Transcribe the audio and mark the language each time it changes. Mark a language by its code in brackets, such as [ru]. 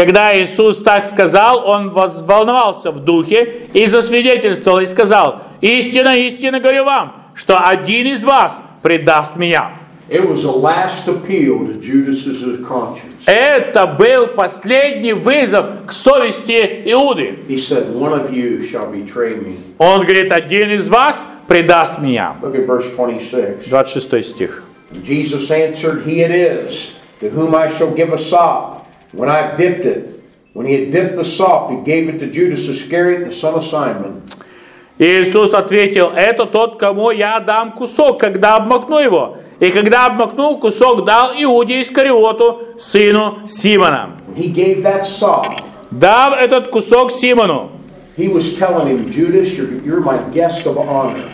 [ru] Когда Иисус так сказал, он взволновался в духе и засвидетельствовал и сказал: «Истинно, истинно говорю вам, что один из вас предаст меня». [en] It was a last appeal to Judas's conscience. [ru] Это был последний вызов к совести Иуды. [en] He said, "One of you shall betray me." [ru] Он говорит, один из вас предаст меня. [en] Look at verse 26. [ru] 26 стих. [en] Jesus answered, "He it is to whom I shall give a sop when I have dipped it." When he had dipped the sop, he gave it to Judas Iscariot, the son of Simon. [ru] Иисус ответил, это тот, кому я дам кусок, когда обмакну его. И когда обмакнул, кусок дал Иуде Искариоту, сыну Симона. [en] He gave that sop. [ru] Дав этот кусок Симону. [en] He was telling him, Judas, you're my guest of honor.